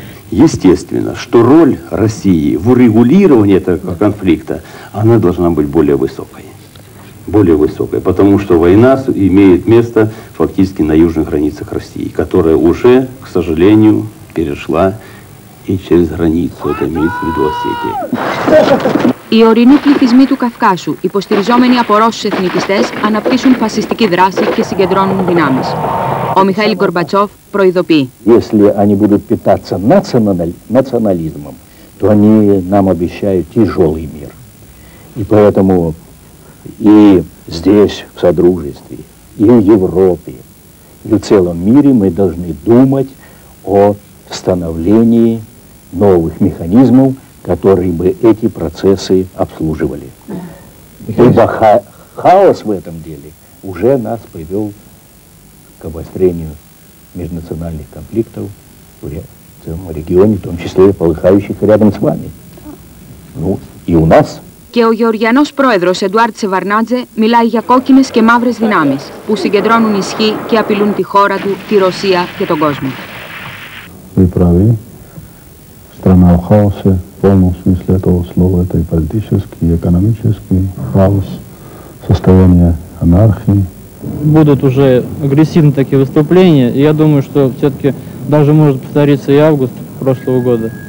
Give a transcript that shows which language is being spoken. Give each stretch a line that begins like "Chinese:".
Russian: Естественно, что роль России в урегулировании этого конфликта, она должна быть более высокой. Более высокой, потому что война имеет место фактически на южных границах России, которая уже, к сожалению, перешла и через границу, это имеется в виду Осетия.
Greek: Οι ορεινοί πληθυσμοί του Καυκάσου, υποστηριζόμενοι από Ρώσους εθνικιστές, αναπτύσσουν φασιστική δράση και συγκεντρώνουν δυνάμεις. Ο Μιχαήλ Γκορμπατσόφ προειδοποιεί.
Russian: Если они будут питаться национализмом, то они нам обещают тяжелый мир. И поэтому и здесь, в Содружестве, и в Европе, и в целом мире мы должны думать о становлении новых механизмов, которые бы эти процессы обслуживали. Ибо хаос в этом деле уже нас привел к обострению межнациональных конфликтов в целом регионе, в том числе и полыхающих рядом с вами. Ну, и у нас.
Greek: Και ο Γεωργιανός πρόεδρος Εντουάρτ Σεβαρνάντζε μιλάει για κόκκινες και μαύρες δυνάμεις που συγκεντρώνουν ισχύ και απειλούν τη χώρα του, τη Ρωσία και τον κόσμο.
Russian: Вы правы. Страна в хаосе, в полном смысле этого слова, это и политический, и экономический хаос, состояние анархии. Будут уже агрессивные такие выступления, и я думаю, что все-таки даже может повториться и август прошлого года.